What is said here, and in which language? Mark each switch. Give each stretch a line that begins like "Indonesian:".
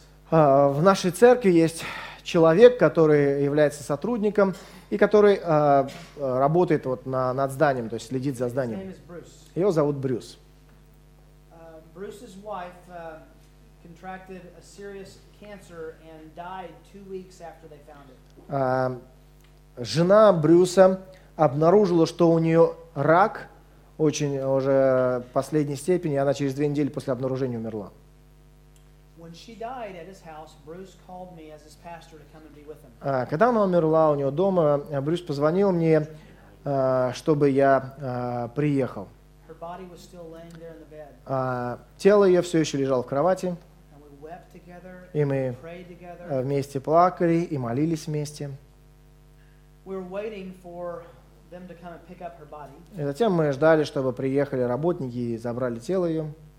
Russian: В нашей церкви есть человек, который является сотрудником и который работает вот над зданием, то есть следит за зданием. Его зовут Брюс.
English: Bruce's wife contracted a serious cancer and died 2 weeks after they found it.
Russian: Жена Брюса обнаружила, что у нее рак очень уже последней степени, и она через 2 недели после обнаружения умерла.
English: When she died at his house, Bruce called me as his pastor to come and be with him.
Russian: Когда она умерла у него дома, Брюс позвонил мне, чтобы я приехал.
English: Her body was still laying there in the bed.
Russian: Тело ее все еще лежало в кровати.
English: And we wept together,
Russian: и мы
English: prayed together.
Russian: Вместе плакали и молились вместе.
English: We were waiting for them to come and pick up her body.
Russian: И затем мы ждали, чтобы приехали работники и забрали тело ее.